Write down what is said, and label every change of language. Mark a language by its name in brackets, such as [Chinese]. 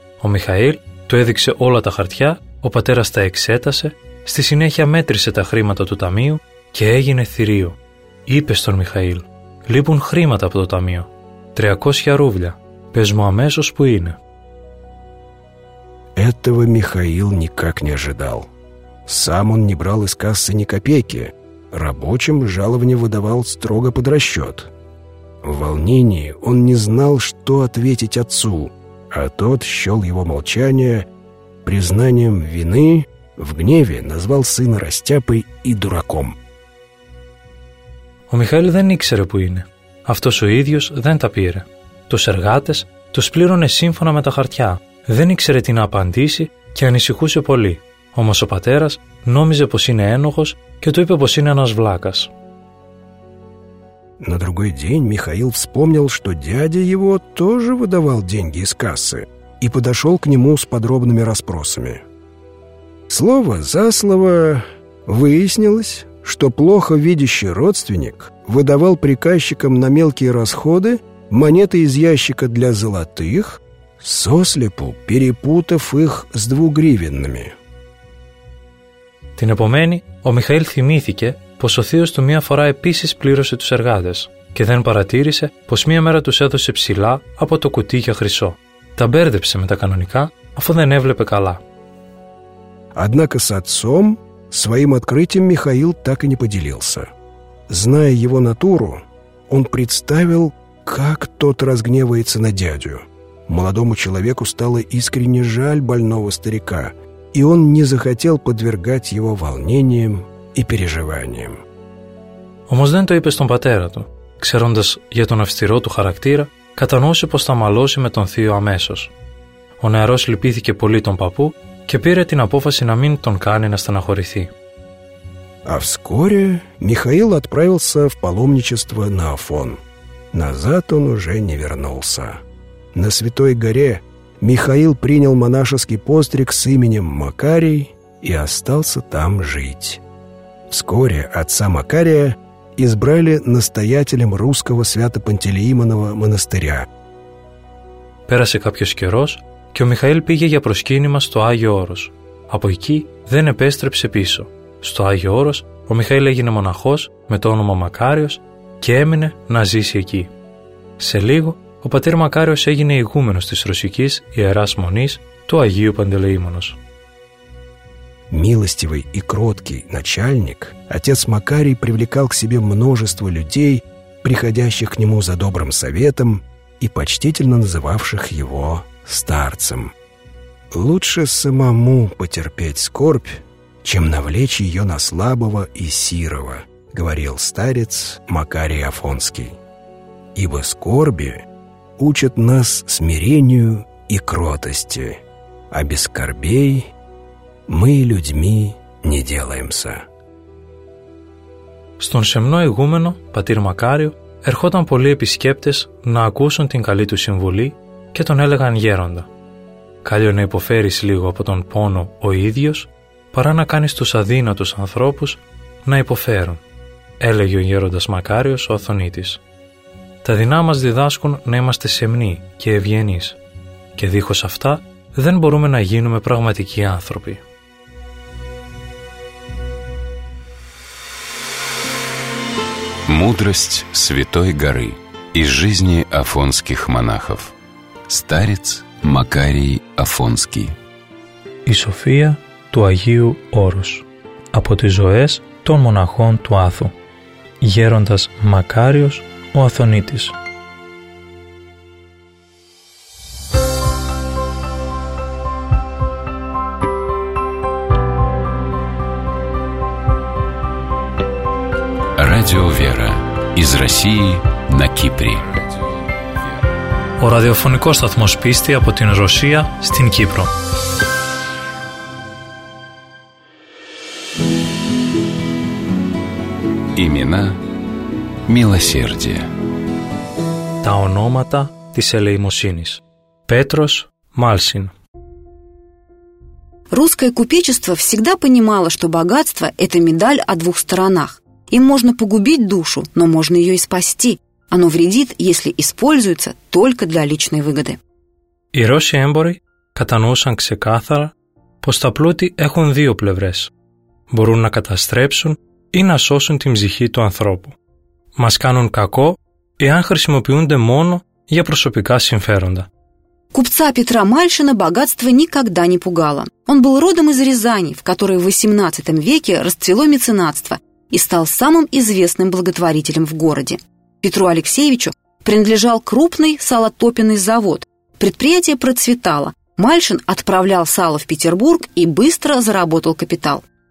[Greek] Ο Μιχαήλ του έδειξε όλα τα χαρτιά, ο πατέρας τα εξέτασε, στη συνέχεια μέτρησε τα χρήματα του ταμείου και έγινε θηρίο. Είπε στον Μιχαήλ: «Λείπουν χρήματα από το ταμείο. 300 ρούβλια. Πες μου αμέσως που είναι». [Russian] Этого Михаил никак не ожидал. Сам он не брал из кассы ни копейки. Рабочим жалование выдавал строго под расчет. В волнении он не знал, что ответить отцу, а тот счел его молчание признанием вины, в гневе назвал сына растяпой и дураком. [Greek] Ο Михаήλ δεν ήξερε που είναι. Αυτός ο ίδιος δεν τα πήρε. Τους εργάτες τους πλήρωνε σύμφωνα με τα χαρτιά. Δεν ήξερε τι να απαντήσει και ανησυχούσε πολύ. Όμως ο πατέρας νόμιζε πως είναι ένοχος και του είπε πως είναι ένας βλάκας. [Russian] На другой день Михаил вспомнил, что дядя его тоже выдавал деньги из кассы, и подошел к нему с подробными расспросами. Слово за слово выяснилось, что плохо видящий родственник выдавал приказчикам на мелкие расходы монеты из ящика для золотых, сослепу перепутав их с двугривенными. [Greek] Την επομένη, ο Михаил θυμήθηκε πως ο θείος του μία φορά επίσης πλήρωσε τους εργάτες και δεν παρατήρησε πως μία μέρα τους έδωσε ψηλά από το κουτί για χρυσό. Τα μπέρδεψε με τα κανονικά, αφού δεν έβλεπε καλά. [Russian] Однако с отцом своим открытием Михаил так и не поделился. Зная его натуру, он представил, как тот разгневается на дядю. Молодому человеку стало искренне жаль больного старика, и он не захотел подвергать его волнениям и переживаниям. [Greek] Όμως δεν το είπε στον πατέρα του, ξέροντας για τον αυστηρό του χαρακτήρα, κατανόησε πως θα μαλώσει με τον θείο αμέσως. Ο νεαρός λυπήθηκε πολύ τον παππού και πήρε την απόφαση να μην τον κάνει να στεναχωρηθεί. [Russian] А вскоре Михаил отправился в паломничество на Афон. Назад он уже не вернулся. На Святой горе Михаил принял монашеский постриг с именем Макарий и остался там жить. Вскоре отца Макария избрали настоятелем русского Свято-Пантелеимонова монастыря. [Greek] Пέρασε κάποιος καιρός και ο Михаил πήγε για προσκύνημα στο Άγιο Όρος. Από εκεί δεν επέστρεψε πίσω. Στο Άγιο Όρος ο Михаил έγινε μοναχός με το όνομα Μακάριος και έμεινε να ζήσει εκεί. Σε λίγο ο πατήρ Μακάριος έγινε ηγούμενος της Ρωσικής Ιεράς Μονής του Αγίου Παντελεήμονος. [Russian] Милостивый и кроткий начальник, отец Макарий привлекал к себе множество людей, приходящих к нему за добрым советом и почтительно называвших его старцем. Лучше самому потерпеть скорбь, чем навлечь ее на слабого и сирого, говорил старец Макарий Афонский. Ибо скорби учат нас смирению и кротости, а без скорбей мы людьми не делаемся. [Greek] Στον σεμνό ηγούμενο, πατήρ Μακάριο, ερχόταν πολλοί επισκέπτες να ακούσουν την καλή του συμβουλή και τον έλεγαν γέροντα. Καλό να υποφέρεις λίγο από τον πόνο ο ίδιος, παρά να κάνεις τους αδύνατους ανθρώπους να υποφέρουν, έλεγε ο γέροντας Μακάριος ο Αθωνίτης. Τα δεινά μας διδάσκουν να είμαστε σεμνοί και ευγενείς και δίχως αυτά δεν μπορούμε να γίνουμε πραγματικοί άνθρωποι. [Russian] Мудрость Святой Горы из жизни афонских монахов. Старец Макарий Афонский. [Greek] Η Σοφία του Αγίου Όρους. Από τις ζωές των μοναχών του Άθου. Γέροντας Μακάριος ο Αθωνίτης. [Russian] Радио Вера. Из России на Кипре. [Greek] Ο ραδιοφωνικός σταθμός πίστη από την Ρωσία στην Κύπρο. [Russian] Имена милосердия. [Greek] Τα ονόματα της ελεημοσύνης. Πέτρος Μάλσιν. [Russian] Русское купечество всегда понимало, что богатство – это медаль о двух сторонах. Им можно погубить душу, но можно ее и спасти. Оно вредит, если используется только для личной выгоды. [Greek] Οι Ρώσοι έμποροι κατανοούσαν ξεκάθαρα πως τα πλούτη έχουν δύο πλευρές. Μπορούν να καταστρέψουν ή να σώσουν την ψυχή του ανθρώπου. Μας κάνουν κακό εάν χρησιμοποιούνται μόνο για προσωπικά συμφέροντα. [Russian] Купца Петра Мальшина богатство никогда не пугало. Он был родом из Рязани, в которой в 18 веке расцвело меценатство и стал самым известным благотворителем в городе. Петру Алексеевичу принадлежал крупный салотопенный завод. Предприятие процветало. Мальшин отправлял сало в Петербург и быстро заработал капитал.